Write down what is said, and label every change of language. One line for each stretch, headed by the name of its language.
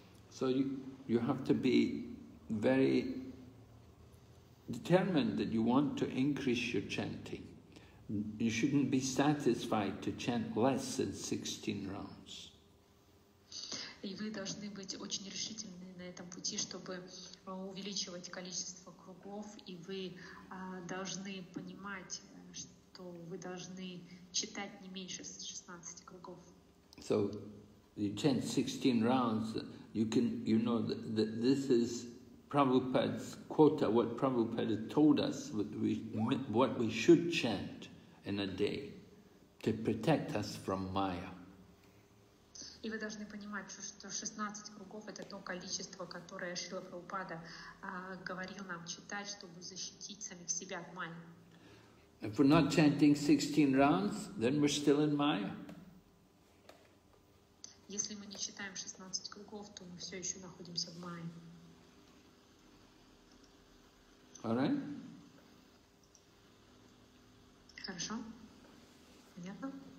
English: So you have to be very determined that you want to increase your chanting. You shouldn't be satisfied to chant less than 16 rounds.
Russian: И вы должны быть очень решительны на этом пути, чтобы увеличивать количество кругов, и вы должны понимать, что вы должны читать не меньше 16 кругов.
English: So you chant 16 rounds, you know that this is Prabhupada's quota, what Prabhupada told us what we should chant in a day to protect us from Maya.
Russian: И вы должны понимать, что 16 кругов — это то количество, которое Шрила Прабхупада говорил нам читать, чтобы защитить самих себя от Майи.
English: If we're not chanting 16 rounds, then we're still in Maya.
Russian: Если мы не читаем 16 кругов, то мы все еще находимся в Майе.
English: All right?
Russian: Хорошо? Понятно?